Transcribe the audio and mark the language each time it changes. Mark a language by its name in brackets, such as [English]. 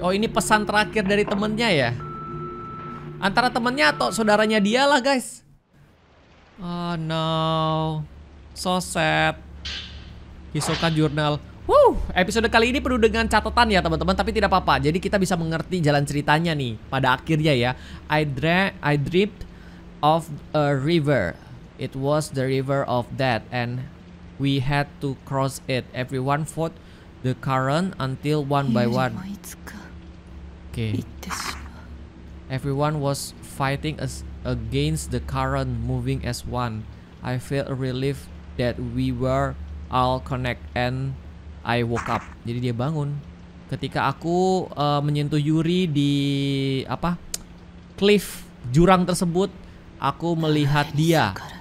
[Indonesian] Oh, ini pesan terakhir dari temennya ya? Antara temennya atau saudaranya dialah guys. [English] Oh no, so sad. Hisoka Journal. [Indonesian] Wuh, episode kali ini penuh dengan catatan ya teman-teman, tapi tidak apa-apa. Jadi kita bisa mengerti jalan ceritanya nih pada akhirnya ya. [English] I dreamt of a river. It was the river of death and we had to cross it. Everyone fought the current until one by one. Okay. Everyone was fighting against the current, moving as one. I felt relief that we were all connect and I woke up. [Indonesian] Jadi dia bangun ketika aku menyentuh Yuri di apa? Cliff, jurang tersebut, aku melihat dia.